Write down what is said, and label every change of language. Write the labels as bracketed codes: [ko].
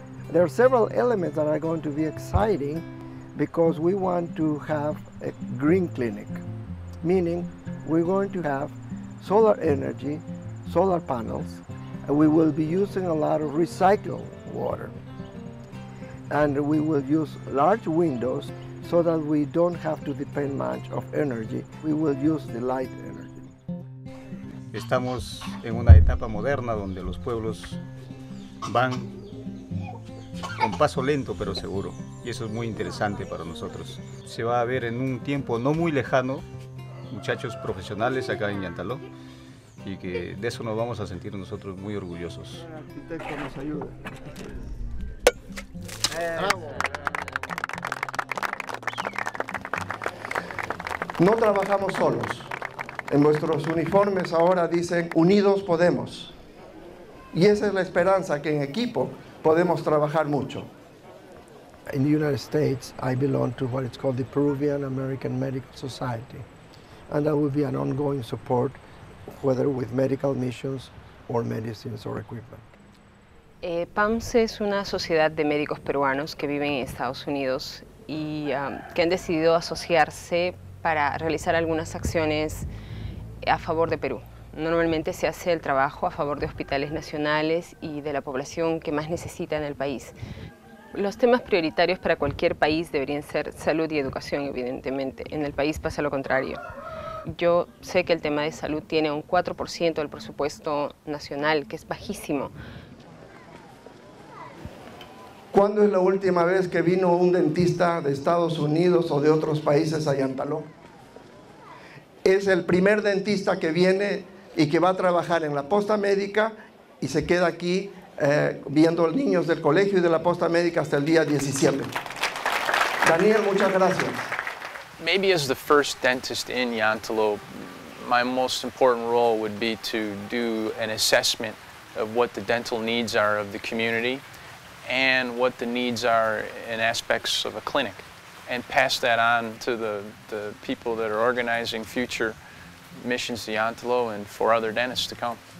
[en] There are several elements that are going to be exciting because we want to have a green clinic, meaning we're going to have solar energy, solar panels, and we will be using a lot of recycled water. And we will use large windows so that we don't have to depend much of energy. We will use the light energy. [es] Estamos en una etapa moderna donde los pueblos van con paso lento pero seguro. Y eso es muy interesante para nosotros. Se va a ver en un tiempo no muy lejano muchachos profesionales acá en Yantaló, y que de eso nos vamos a sentir nosotros muy orgullosos. El arquitecto nos ayuda. ¡Bravo! No trabajamos solos. En nuestros uniformes ahora dicen unidos podemos. Y esa es la esperanza, que en equipo podemos trabajar mucho. [en] In the United States, I belong to what is called the Peruvian American Medical Society. And that will be an ongoing support, whether with medical missions or medicines or equipment. [es] PAMS es una sociedad de médicos peruanos que viven en Estados Unidos y que han decidido asociarse para realizar algunas acciones a favor de Perú. Normalmente se hace el trabajo a favor de hospitales nacionales y de la población que más necesita en el país. Los temas prioritarios para cualquier país deberían ser salud y educación, evidentemente. En el país pasa lo contrario. Yo sé que el tema de salud tiene un 4% del presupuesto nacional, que es bajísimo. ¿Cuándo es la última vez que vino un dentista de Estados Unidos o de otros países a Yantaló? Es el primer dentista que viene y que va a trabajar en la posta médica y se queda aquí viendo a niños del colegio y de la posta médica hasta el día 17. Daniel, muchas gracias. [en] Maybe as the first dentist in Yantaló, my most important role would be to do an assessment of what the dental needs are of the community and what the needs are in aspects of a clinic, and pass that on to the people that are organizing future missions to Yantaló and for other dentists to come.